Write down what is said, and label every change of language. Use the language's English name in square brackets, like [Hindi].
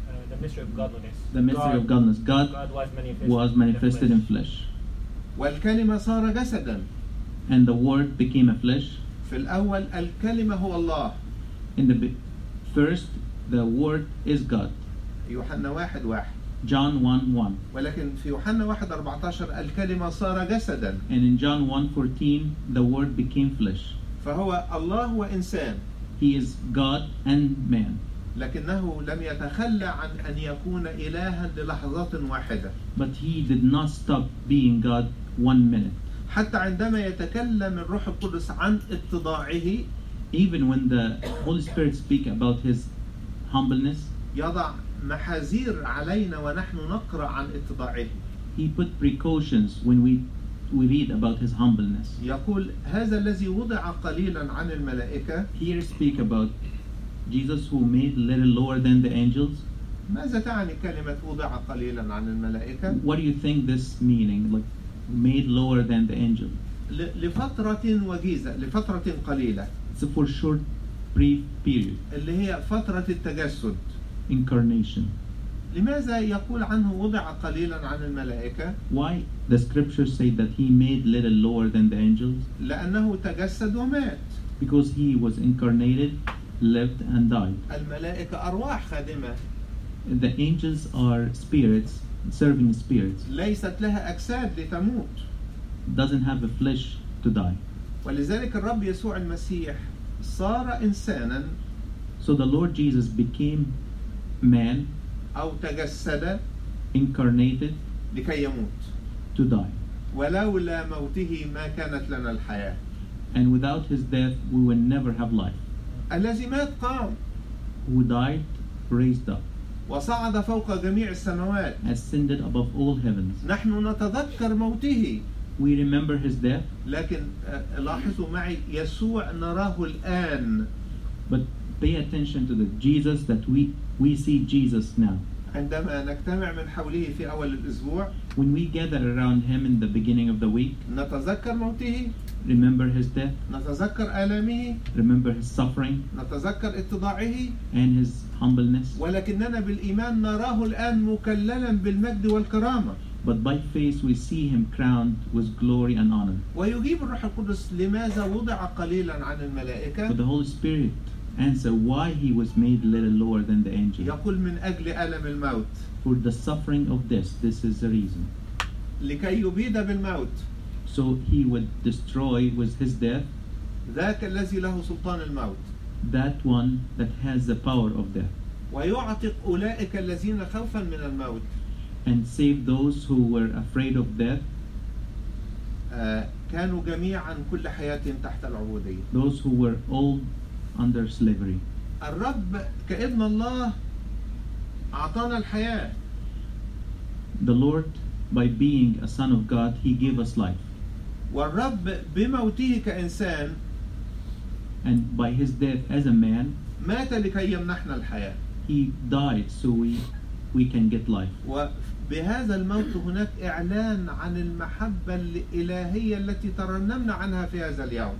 [English] The mystery of godliness. God was manifested in flesh. [Arabic] والكلمة صار جسدا. [English] And the word became a flesh. [Arabic] في الأول الكلمة هو الله. [English] In the first, the word is God. [Arabic] يوحنا 1:1. [English] John 1:1. [Arabic] ولكن في يوحنا 1:14 الكلمة صار جسدا. [English] And in John 1:14 the word became flesh. [Arabic] فهو الله وإنسان. [English] He is God and man. [Arabic] لكنه لم يتخلى عن أن يكون إلها للحظات واحدة. [English] But he did not stop being God one minute. [Arabic] حتى عندما يتكلم الروح القدس عن اتضاعه. [English] Even when the Holy Spirit speak about his humbleness. [Arabic] يضع محاذير علينا ونحن نقرأ عن اتضاعه. [English] He put precautions when we read about his humbleness. [Arabic] يقول هذا الذي وضع قليلا عن الملائكة. [English] Here speak about Jesus who made little lower than the angels. [Arabic] ماذا تعني كلمة وضع قليلا عن الملائكة؟ [English] What do you think this meaning, like made lower than the angel? [Arabic] لفترة وجيزة لفترة قليلة. [English] It's for short brief period. [Arabic] اللي هي فترة التجسد. [English] Incarnation. [Arabic] لماذا يقول عنه وضع قليلا عن الملائكة؟ [English] Why the scriptures say that he made little lower than the angels? [Arabic] لأنه تجسد ومات. [English] Because he was incarnated, lived and died. [Arabic] الملائكة أرواح خادمة. [English] The angels are spirits, serving spirits. [Arabic] ليست لها أجساد لتموت. [English] Doesn't have a flesh to die. [Arabic] ولذلك الرب يسوع المسيح صار إنسانا. [English] So the Lord Jesus became man. [Arabic] أو تجسد. [English] Incarnated. [Arabic] لكي يموت. [English] To die. [Arabic] ولولا موته ما كانت لنا الحياة. [English] And without his death, we will never have life. [Arabic] الذي مات قام. [English] Who died, raised up. [Arabic] وصعد فوق جميع السماوات. [English] Ascended above all heavens. [Arabic] نحن نتذكر موته. [English] We remember his death. [Arabic] لكن لاحظوا معي يسوع نراه الآن. [English] But pay attention to the Jesus that we see Jesus now. [Arabic] عندما نجتمع من حوله في أول الأسبوع. [English] When we gather around him in the beginning of the week. [Arabic] نتذكر موته. [English] Remember his death. [Arabic] نتذكر آلامه. [English] Remember his suffering. [Arabic] نتذكر اتضاعه. [English] And his humbleness. [Arabic] ولكننا بالإيمان نراه الآن مكللا بالمجد والكرامة. [English] But by faith we see him crowned with glory and honor. [Arabic] ويجيب الروح القدس لماذا وضع قليلا عن الملائكة. [English] But the Holy Spirit answer why he was made little lower than the angels. [Arabic] يقول من أجل ألم الموت. [English] For the suffering of death, this is the reason. [Arabic] لكي يبيد بالموت. [English] So he would destroy with his death. [Arabic] ذاك الذي له سلطان الموت. [English] That one that has the power of death. [Arabic] ويعتق أولئك الذين خوفا من الموت. [English] And save those who were afraid of death. [Arabic] كانوا جميعا كل حياتهم تحت العبودية. [English] Those who were all under slavery. [Arabic] الرب كابن الله أعطانا الحياة. [English] The Lord, by being a son of God, he gave us life. [Arabic] والرب بموته كإنسان. [English] And by his death as a man. [Arabic] مات لكي يمنحنا الحياة. [English] He died so we can get life. [Arabic] بهذا الموت هناك إعلان عن المحبة الإلهية التي ترنمنا عنها في هذا اليوم.